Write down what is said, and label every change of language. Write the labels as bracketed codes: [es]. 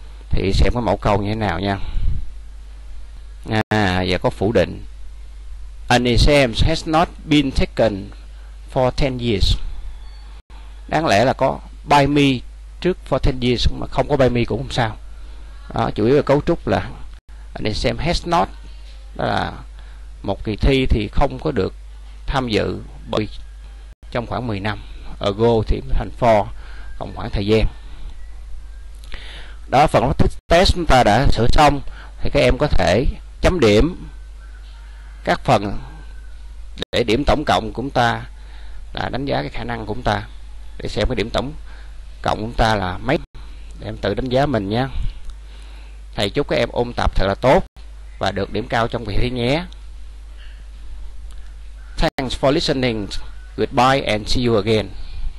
[vi] Thì xem có mẫu câu như thế nào nha. À, giờ có phủ định. [en] An exams has not been taken for 10 years. [vi] Đáng lẽ là có [en] by me [vi] trước for 10 years mà không có by me cũng không sao. Đó, chủ yếu là cấu trúc là anh em xem has not, đó là một kỳ thi thì không có được tham dự bởi trong khoảng 10 năm. Ago thì thành for, trong khoảng thời gian. Đó, phần test chúng ta đã sửa xong. Thì các em có thể chấm điểm các phần để điểm tổng cộng của chúng ta là đánh giá cái khả năng của chúng ta. Để xem cái điểm tổng cộng của chúng ta là mấy. Để em tự đánh giá mình nha. Thầy chúc các em ôn tập thật là tốt và được điểm cao trong kỳ thi nhé. [en] Thanks for listening. Goodbye and see you again.